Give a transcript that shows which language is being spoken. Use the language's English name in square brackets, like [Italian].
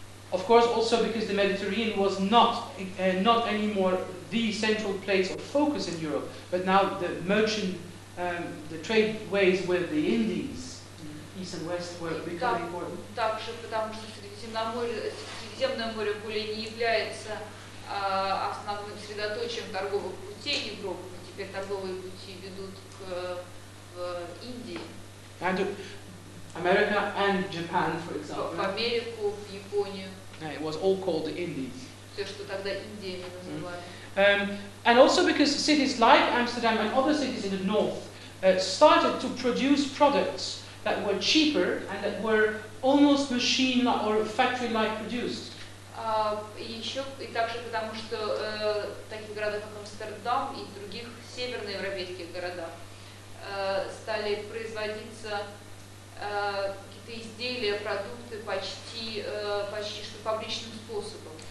[English] Of course, also because the Mediterranean was not anymore the central place of focus in Europe, but now the merchant, the trade ways with the Indies, east and west, were becoming important. [Russian] Также потому что Средиземное море более не является основным средоточием торговых путей Европы. Теперь торговые пути ведут к Индии. [English] And America and Japan, for example. [Russian] В Америку, в Японию. [English] Yeah, it was all called the Indies. [Russian] Все, что тогда Индиями называли. [English] And also because cities like Amsterdam and other cities in the north started to produce products that were cheaper and that were almost machine or factory-like produced. [Russian] И также потому что такие города как Амстердам и других северноевропейских городах стали производиться какие-то изделия, продукты почти что фабричным способом.